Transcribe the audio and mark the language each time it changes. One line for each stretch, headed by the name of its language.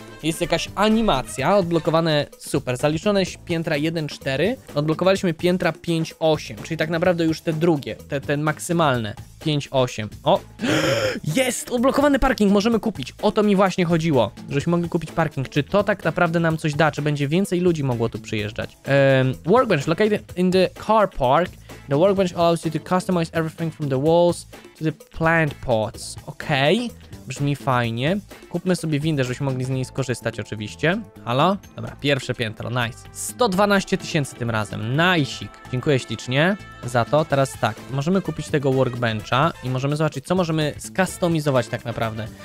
Polish: Jest jakaś animacja. Odblokowane super. Zaliczone piętra 1,4. Odblokowaliśmy piętra 5,8. Czyli tak naprawdę już te drugie. Te maksymalne. 5,8. O! Jest! Odblokowany parking! Możemy kupić. O to mi właśnie chodziło, żebyśmy mogli kupić parking. Czy to tak naprawdę nam coś da? Czy będzie więcej ludzi mogło tu przyjeżdżać?
English: Workbench located in the car park. The workbench allows you to customize everything from the walls to the plant pots.
Polish: Okej. Brzmi fajnie. Kupmy sobie windę, żebyśmy mogli z niej skorzystać oczywiście. Halo? Dobra, pierwsze piętro. Nice. 112 tysięcy tym razem. Najsik. Dziękuję ślicznie za to. Teraz tak. Możemy kupić tego workbencha i możemy zobaczyć, co możemy skustomizować tak naprawdę.